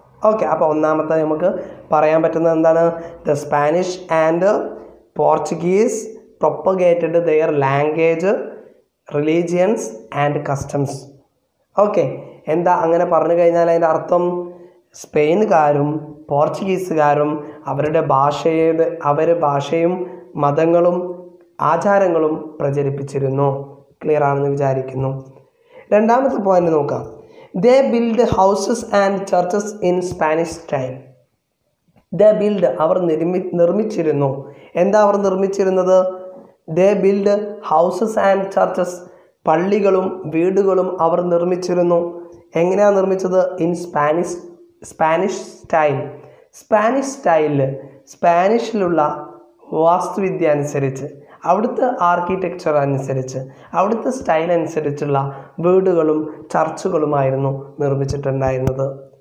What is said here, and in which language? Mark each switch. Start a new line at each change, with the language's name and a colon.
English: okay,
Malayalam: അപ്പോൾ ഒന്നാമത്തെ നമുക്ക് പറയാൻ പറ്റുന്നത് എന്താണ്?
English: The Spanish and Portuguese propagated their language, religions and customs.
Malayalam: Okay, എന്താ അങ്ങനെ പറഞ്ഞു കഴിഞ്ഞാൽ അതിൻ്റെ അർത്ഥം? സ്പെയിനുകാരും പോർച്ചുഗീസുകാരും അവരുടെ ഭാഷയുടെ ഭാഷയും മതങ്ങളും ആചാരങ്ങളും പ്രചരിപ്പിച്ചിരുന്നു. ക്ലിയർ ആണെന്ന് വിചാരിക്കുന്നു. രണ്ടാമത്തെ പോയിന്റ് നോക്കാം.
English: They build houses and churches in Spanish style. They build,
Malayalam: അവർ നിർമ്മിച്ചിരുന്നു. എന്താ അവർ നിർമ്മിച്ചിരുന്നത്?
English: They build houses and churches.
Malayalam: പള്ളികളും വീടുകളും അവർ നിർമ്മിച്ചിരുന്നു. എങ്ങനെയാണ് നിർമ്മിച്ചത്? In Spanish, Spanish style. Spanish സ്റ്റൈലില്, സ്പാനിഷിലുള്ള വാസ്തുവിദ്യ അനുസരിച്ച്, അവിടുത്തെ ആർക്കിടെക്ചർ അനുസരിച്ച്, അവിടുത്തെ സ്റ്റൈൽ അനുസരിച്ചുള്ള വീടുകളും ചർച്ചുകളുമായിരുന്നു നിർമ്മിച്ചിട്ടുണ്ടായിരുന്നത്.